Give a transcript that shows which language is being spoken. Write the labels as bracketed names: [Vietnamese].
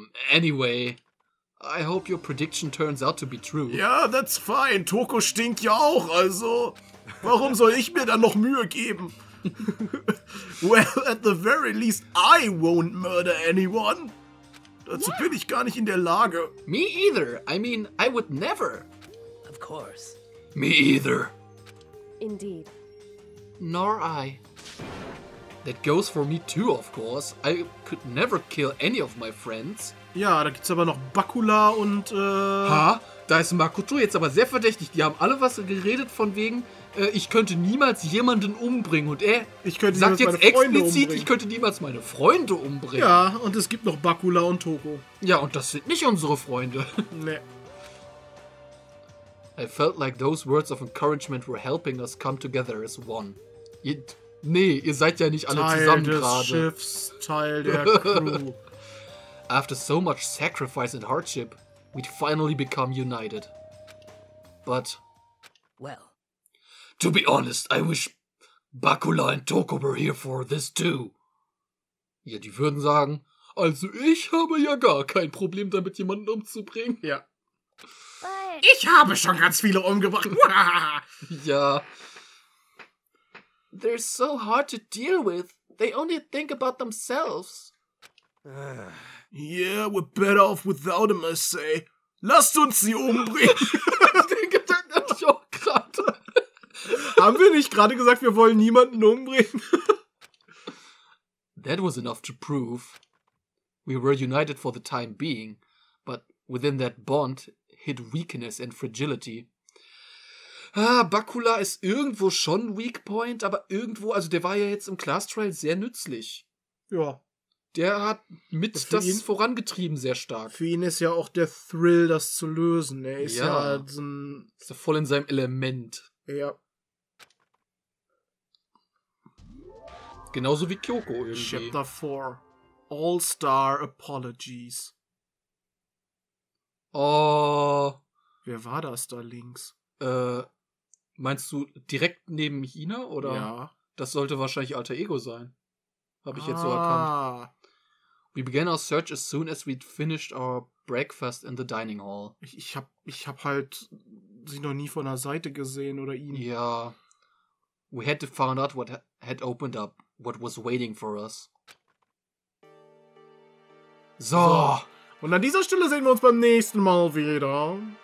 [English] Anyway, I hope your prediction turns out to be true. Yeah, that's fine. [German] Toko stinkt ja auch, also. Warum soll ich mir dann noch Mühe geben? [English] Well, at the very least, I won't murder anyone. [German] Dazu bin ich gar nicht in der Lage. [English] Me either. I mean, I would never. Of course. Me either. Indeed. Nor I. That goes for me too, of course. I could never kill any of my friends. [German] Ja, da gibt's aber noch Bakula und, Ha? Da ist Makoto jetzt aber sehr verdächtig. Die haben alle was geredet von wegen, ich könnte niemals jemanden umbringen. Und er ich könnte sagt jetzt explizit, umbringen. Ich könnte niemals meine Freunde umbringen. Ja, und es gibt noch Bakula und Toko. Ja, und das sind nicht unsere Freunde. Nee. [English] I felt like those words of encouragement were helping us come together as one. [German] Nee, ihr seid ja nicht alle Teil zusammen des gerade. Schiffs, Teil der Crew. [English] After so much sacrifice and hardship, we'd finally become united. But... Well... To be honest, I wish Bakula and Toko were here for this too. [German] Ja, die würden sagen, also ich habe ja gar kein Problem damit, jemanden umzubringen. Ja. [English] But... [German] Ich habe schon ganz viele umgebracht. Ja. [English] They're so hard to deal with. They only think about themselves. Yeah, we're better off without him, I say. [German] Lasst uns sie umbringen. Den Gedanken hatte ich auch gerade. Haben wir nicht gerade gesagt, wir wollen niemanden umbringen? [English] That was enough to prove. We were united for the time being, but within that bond hid weakness and fragility. [German] Ah, Bakula ist irgendwo schon ein Weak Point, aber irgendwo, also der war ja jetzt im Class Trial sehr nützlich. Ja. Der hat mit das ihn, vorangetrieben sehr stark. Für ihn ist ja auch der Thrill, das zu lösen. Er ist ja, ist er voll in seinem Element. Ja. Genauso wie Kyoko irgendwie. [English] Chapter 4. All-Star Apologies. Oh. [German] Wer war das da links? Meinst du direkt neben Hina, oder? Ja. Das sollte wahrscheinlich Alter Ego sein. Hab ich jetzt so erkannt. [English] We began our search as soon as we'd finished our breakfast in the dining hall. [German] Ich hab halt sie noch nie von der Seite gesehen oder ihn. Ja. [English] We had to find out what had opened up, what was waiting for us. So. [German] Und an dieser Stelle sehen wir uns beim nächsten Mal wieder.